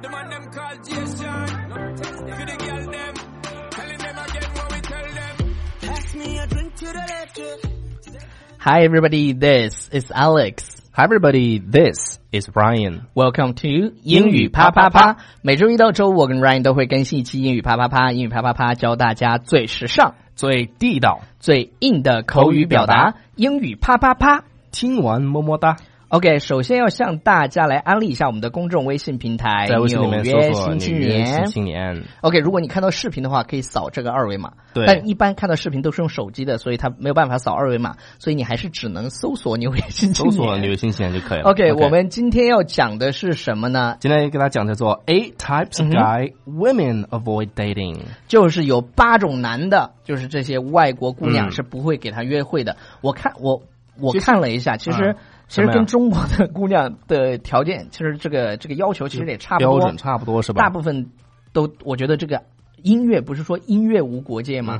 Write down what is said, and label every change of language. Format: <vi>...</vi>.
<en>The man them called Jason. For the girl them, telling them again what we tell them. Pass me a drink to the left. Hi everybody, this is Alex. Hi everybody, this is Ryan.</en> <zh>Welcome to 英语啪啪啪。每周一到周五，我跟 Ryan 都会更新一期英语啪啪啪。英语啪啪啪教大家最时尚、最地道、最硬的口语表达。英语啪啪啪，听完么么哒。 OK， 首先要向大家来安利一下我们的公众微信平台，在微信里面搜索纽约新青年。 OK， 如果你看到视频的话，可以扫这个二维码。对，但一般看到视频都是用手机的，所以它没有办法扫二维码，所以你还是只能搜索纽约新青年，搜索纽约新青年就可以了。 Okay, OK，我们今天要讲的是什么呢？今天给大家讲叫做 Eight Types of Guy Women Avoid Dating，就是有八种男的，就是这些外国姑娘是不会给他约会的。我看了一下，其实。其实跟中国的姑娘的条件，其实这个要求其实也差不多，标准差不多是吧？大部分都，我觉得这个音乐不是说音乐无国界吗？</zh>